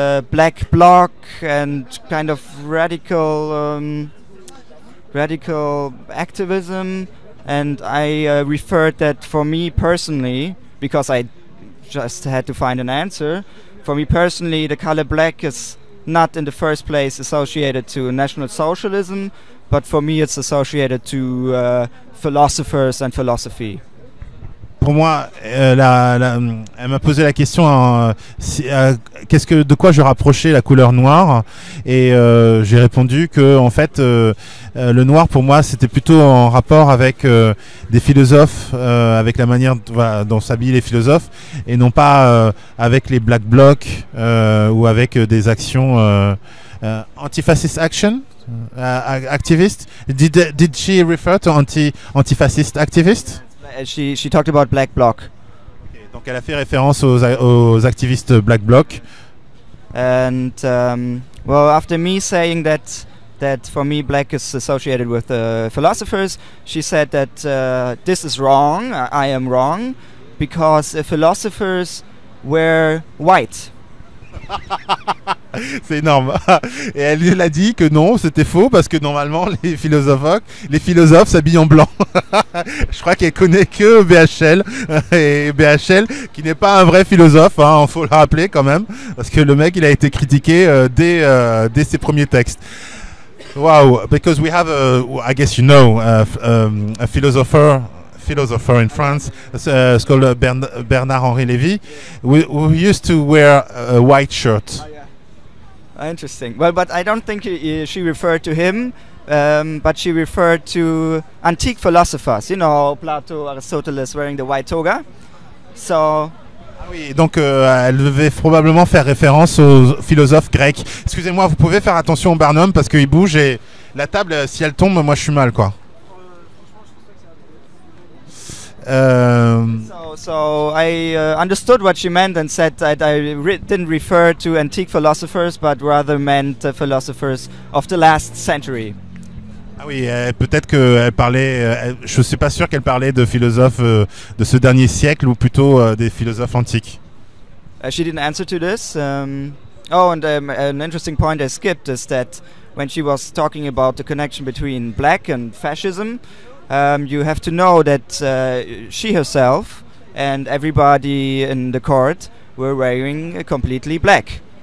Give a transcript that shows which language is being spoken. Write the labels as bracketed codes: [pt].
[en] black bloc and kind of radical activism, and I referred that for me personally, because I just had to find an answer, for me personally the color black is not in the first place associated to National Socialism, but for me it's associated to philosophers and philosophy. [fr] Pour moi, elle m'a posé la question de quoi je rapprochais la couleur noire, et j'ai répondu que en fait le noir pour moi c'était plutôt en rapport avec des philosophes, avec la manière dont s'habillent les philosophes, et non pas avec les black blocs ou avec des actions [en] anti-fascist action activist. Did she refer to anti-fascist activist? She talked about black bloc. Okay, [fr] donc elle a fait référence aux activistes black bloc. [en] And well, after me saying that for me black is associated with philosophers, she said that this is wrong. I am wrong, because philosophers wear white. [fr] C'est énorme. Et elle a dit que non, c'était faux, parce que normalement les philosophes s'habillent en blanc. Je crois qu'elle connaît que BHL, et BHL qui n'est pas un vrai philosophe, hein, faut le rappeler quand même, parce que le mec il a été critiqué dès ses premiers textes. [en] Wow, because we have a, I guess you know, a philosopher in France, it's called Bernard-Henri Lévy, who used to wear a white shirt. Interesting. Well, but I don't think she referred to him, but she referred to antique philosophers, you know, Plato, Aristoteles wearing the white toga. So, [fr] ah oui, donc elle devait probablement faire référence aux philosophes grecs. Excusez-moi, vous pouvez faire attention au Barnum parce qu'il bouge, et la table, si elle tombe, moi je suis mal, quoi. [en] So I understood what she meant and said that I didn't refer to antique philosophers, but rather meant philosophers of the last century. [fr] Ah oui, peut-être qu'elle parlait, je ne suis pas sûr qu'elle parlait de philosophes de ce dernier siècle ou plutôt des philosophes antiques. [en] She didn't answer to this. An interesting point I skipped is that when she was talking about the connection between black and fascism, you have to know that she herself and everybody in the court were wearing completely black.